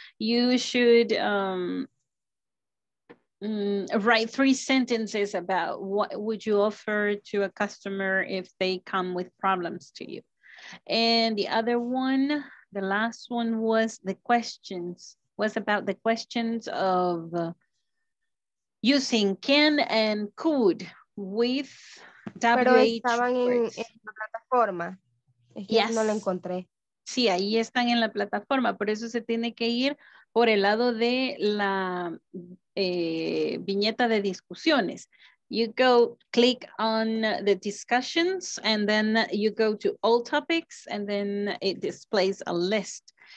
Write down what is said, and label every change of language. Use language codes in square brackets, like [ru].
[en] You should write 3 sentences about what would you offer to a customer if they come with problems to you. And the other one, the last one was the questions, was about the questions of using can and could with [es] pero WH estaban en la plataforma. Es que yes. No lo encontré. Sí, ahí están en la plataforma, por eso se tiene que ir por el lado de la viñeta de discusiones. [en] you go click on the discussions and then you go to all topics and then it displays a list.